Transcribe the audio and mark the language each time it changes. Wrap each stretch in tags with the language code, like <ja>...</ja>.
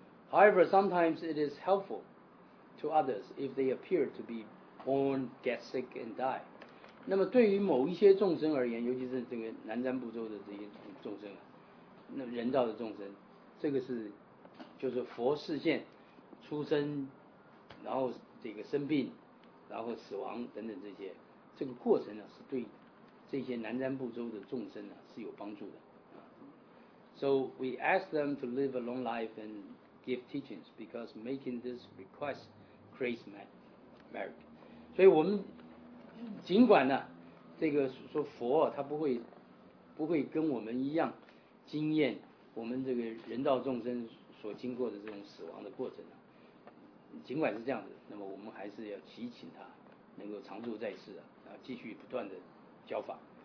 <en>However, sometimes it is helpful to others if they appear to be born, get sick and die.</en> <zh>那么对于某一些众生而言，尤其是这个南瞻部洲的这些众生啊，那人道的众生，这个是就是佛示现出生，然后这个生病，然后死亡等等这些，这个过程呢、啊、是对这些南瞻部洲的众生呢、啊、是有帮助的。</zh> <en>So we ask them to live a long life and give teachings because making this request creates merit.</en> <zh>所以我们尽管呢、啊，这个说佛、啊、他不会跟我们一样经验我们这个人道众生所经过的这种死亡的过程、啊、尽管是这样子，那么我们还是要祈请他能够常住在世啊，然后继续不断的教法。</zh>